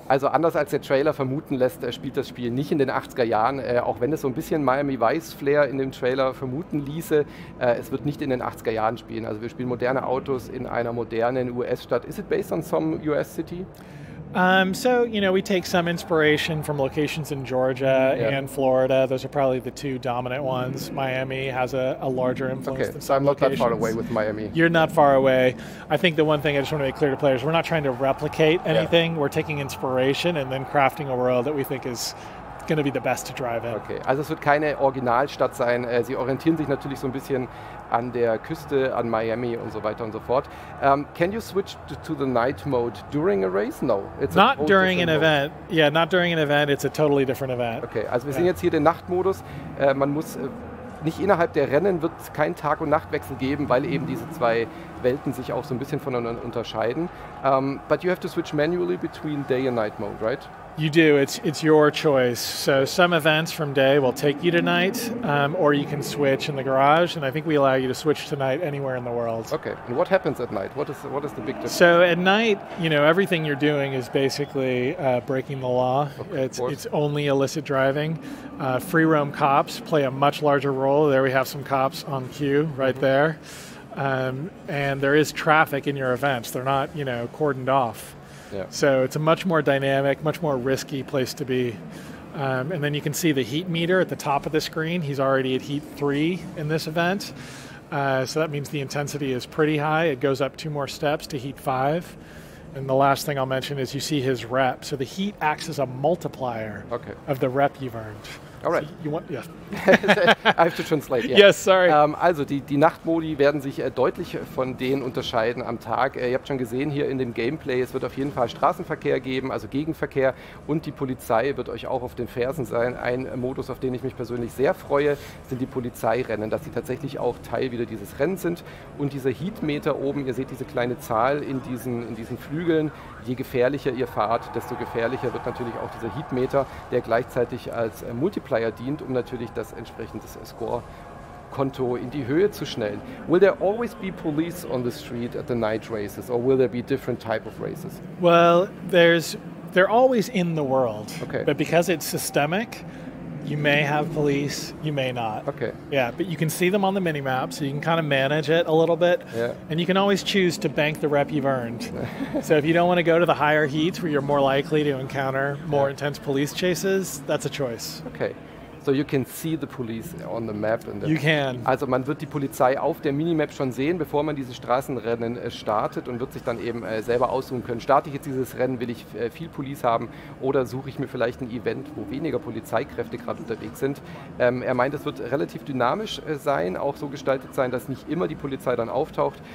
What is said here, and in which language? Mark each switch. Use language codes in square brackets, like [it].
[de] Also anders als der Trailer vermuten lässt, spielt das Spiel nicht in den 80er Jahren. Auch wenn es so ein bisschen Miami Vice Flair in dem Trailer vermuten ließe, es wird nicht in den 80er Jahren spielen. Also wir spielen moderne Autos in einer modernen US-Stadt. [en] Is it based on some US city? So, you know, we take some inspiration from locations in Georgia and Florida. Those are probably the two dominant ones. Miami has a larger influence than some Okay, I'm not that far away with Miami. You're not far away. I think the one thing I just want to make clear to players, we're not trying to replicate anything. Yeah. We're taking inspiration and then crafting a world that we think is going to be the best to drive in. [de] Okay, also es wird keine Originalstadt sein. Sie orientieren sich natürlich so ein bisschen an der Küste, an Miami und so weiter und so fort. [en] Can you switch to the night mode during a race? No. It's not during an event. Yeah, not during an event. It's a totally different event. [de] Okay, also wir sehen jetzt hier den Nachtmodus. Man muss nicht innerhalb der Rennen wird es keinen Tag- und Nachtwechsel geben, weil eben diese zwei Welten sich auch so ein bisschen voneinander unterscheiden. [en] But you have to switch manually between day and night mode, right? You do. It's your choice. So some events from day will take you to night, or you can switch in the garage. And I think we allow you to switch to night anywhere in the world. Okay. And what happens at night? What is the big difference? So at night, you know, everything you're doing is basically breaking the law. Okay, it's only illicit driving. Free roam cops play a much larger role. There we have some cops on cue right there. And there is traffic in your events. They're not, you know, cordoned off. Yeah. So it's a much more dynamic, much more risky place to be. And then you can see the heat meter at the top of the screen. He's already at heat 3 in this event. So that means the intensity is pretty high. It goes up 2 more steps to heat 5. And the last thing I'll mention is you see his rep. So the heat acts as a multiplier of the rep you've earned. All right. So you want, yeah. I have to translate. Yeah. Yes, sorry. [de] Also die Nachtmodi werden sich deutlich von denen unterscheiden am Tag. Ihr habt schon gesehen hier in dem Gameplay, es wird auf jeden Fall Straßenverkehr geben, also Gegenverkehr. Und die Polizei wird euch auch auf den Fersen sein. Ein Modus, auf den ich mich persönlich sehr freue, sind die Polizeirennen, dass sie tatsächlich auch Teil wieder dieses Rennens sind. Und dieser Heatmeter oben, ihr seht diese kleine Zahl in diesen Flügeln. Je gefährlicher ihr fahrt, desto gefährlicher wird natürlich auch dieser Heatmeter, der gleichzeitig als Multiplier dient, um natürlich das entsprechende Score-Konto in die Höhe zu schnellen. [en] Will there always be police on the street at the night races, or will there be different type of races? Well, they're always in the world. Okay. But because it's systemic, you may have police, you may not. Okay. Yeah, but you can see them on the minimap, so you can kind of manage it a little bit. Yeah. And you can always choose to bank the rep you've earned. So if you don't want to go to the higher heats where you're more likely to encounter more intense police chases, that's a choice. Okay. So you can see the police on the map. And you can. [de] Also man wird die Polizei auf der Minimap schon sehen, bevor man diese Straßenrennen startet und wird sich dann eben selber aussuchen können. Starte ich jetzt dieses Rennen, will ich viel Police haben oder suche ich mir vielleicht ein Event, wo weniger Polizeikräfte gerade unterwegs sind. Er meint, es wird relativ dynamisch sein, auch so gestaltet sein, dass nicht immer die Polizei dann auftaucht.